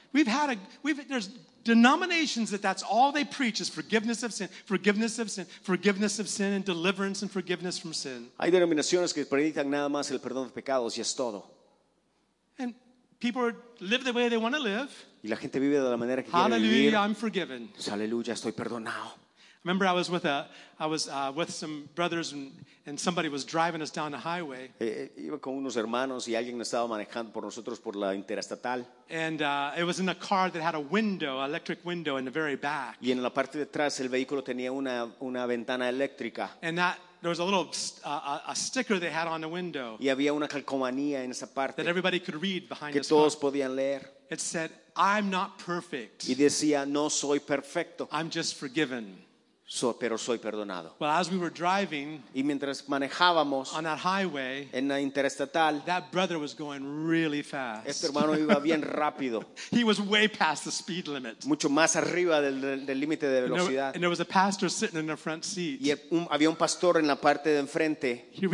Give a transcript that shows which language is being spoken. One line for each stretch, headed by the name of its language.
English: We've had a we've there's denominations that's all they preach is forgiveness of sin, forgiveness of sin, forgiveness of sin, and deliverance and forgiveness from sin.
Spanish: Hay denominaciones que predican nada más el perdón de pecados y es todo.
English: And people live the way they want to live.
Spanish: Y la gente vive de la manera que quiere vivir.
English: Hallelujah, I'm forgiven.
Spanish: Aleluya, estoy perdonado.
English: Remember, I was with I was with some brothers and somebody was driving us down the highway.
Spanish: Iba con unos hermanos y alguien estaba manejando por nosotros por la interestatal.
English: And it was in a car that had a window, electric window in the very back.
Spanish: Y en la parte de atrás el vehículo tenía una ventana eléctrica.
English: And that there was a little a sticker they had on the window.
Spanish: Y había una calcomanía en esa parte.
English: That everybody could read behind the car.
Spanish: Que todos podían leer.
English: It said, "I'm not perfect."
Spanish: Y decía, "No soy perfecto."
English: I'm just forgiven.
Spanish: Pero soy perdonado.
English: Well, as we were driving,
Spanish: y mientras manejábamos
English: on that highway,
Spanish: en la interestatal,
English: that brother was going really fast.
Spanish: Este hermano iba bien rápido.
English: He was way past the speed limit.
Spanish: Mucho más arriba del límite de velocidad.
English: And there was a pastor sitting in the front seat.
Spanish: Y había un pastor en la parte de enfrente.